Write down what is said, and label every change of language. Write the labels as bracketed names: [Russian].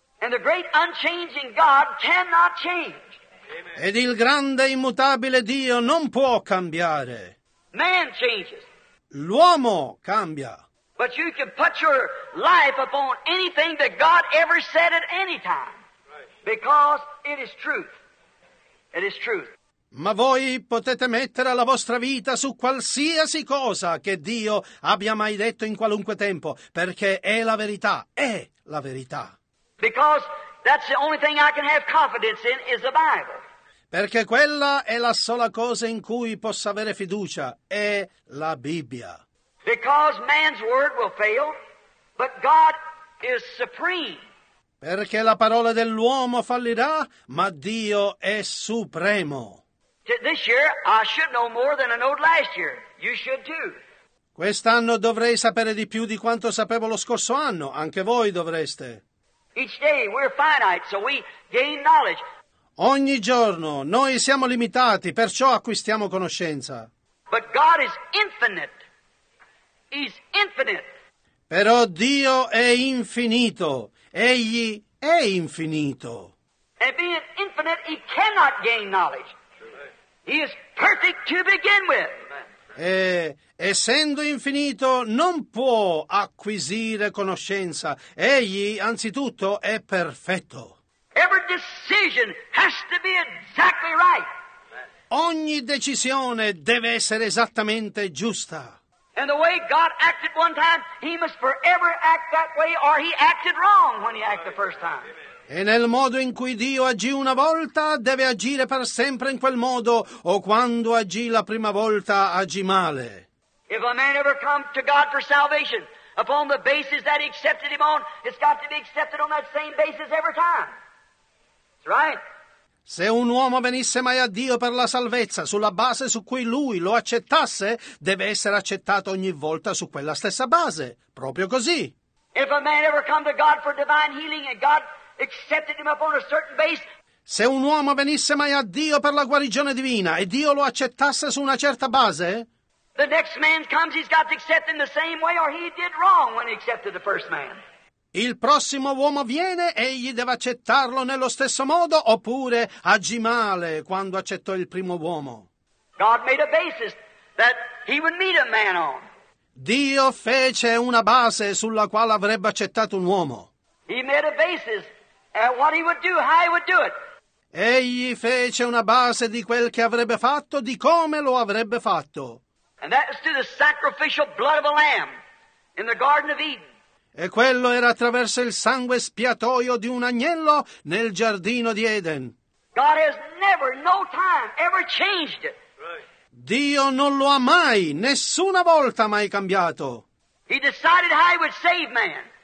[English] And the great unchanging God cannot change. [Italian] Ed il grande immutabile Dio non può cambiare. [English] Man changes. [Italian] L'uomo cambia. [English] But you can put your life upon anything that God ever said at any time. Because it is truth. It is truth. [Italian] Ma voi potete mettere la vostra vita su qualsiasi cosa che Dio abbia mai detto in qualunque tempo, perché è la verità, è la verità. [English] Because that's the only thing I can have confidence in is the Bible. [Italian] Perché quella è la sola cosa in cui posso avere fiducia, è la Bibbia. [English] Because man's word will fail, but God is supreme. [Italian] Perché la parola dell'uomo fallirà, ma Dio è supremo. [English] This year I should know more than I knew last year. You should too. [Italian] Quest'anno dovrei sapere di più di quanto sapevo lo scorso anno, anche voi dovreste. [English] Each day we're finite, so we gain knowledge. [Italian] Ogni giorno noi siamo limitati, perciò acquistiamo conoscenza. [English] But God is infinite. He's infinite. [Italian] Però Dio è infinito. Egli è infinito. [English] And being infinite, he cannot gain knowledge. He is perfect to begin with. [Italian] E essendo infinito, non può acquisire conoscenza. Egli, anzitutto, è perfetto. [English] Every decision has to be exactly right. [Italian] Ogni decisione deve essere esattamente giusta. [English] And the way God acted one time, he must forever act that way, or he acted wrong when he acted the first time. [Italian] E nel modo in cui Dio agì una volta, deve agire per sempre in quel modo, o quando agì la prima volta, agì male. [English] If a man ever come to God for salvation upon the basis that he accepted him on, it's got to be accepted on that same basis every time. Right. [Italian] Se un uomo venisse mai a Dio per la salvezza sulla base su cui lui lo accettasse, deve essere accettato ogni volta su quella stessa base, proprio così. [English] If a man ever come to God for divine healing and God accepted him upon a certain base, [Italian] se un uomo venisse mai a Dio per la guarigione divina e Dio lo accettasse su una certa base, [English] the next man comes, he's got to accept him the same way, or he did wrong when he accepted the first man. [Italian] Il prossimo uomo viene e egli deve accettarlo nello stesso modo oppure agì male quando accettò il primo uomo. [English] God made a basis that he would meet a man on. [Italian] Dio fece una base sulla quale avrebbe accettato un uomo. [English] He made a basis at what he would do, how he would do it. [Italian] Egli fece una base di quel che avrebbe fatto, di come lo avrebbe fatto. [English] And that was through the sacrificial blood of a lamb in the Garden of Eden. [Italian] E quello era attraverso il sangue spiatoio di un agnello nel giardino di Eden. [English] God has never, no time, ever changed it. [Italian] Dio non lo ha mai, nessuna volta mai cambiato. [English] He decided how he would save man.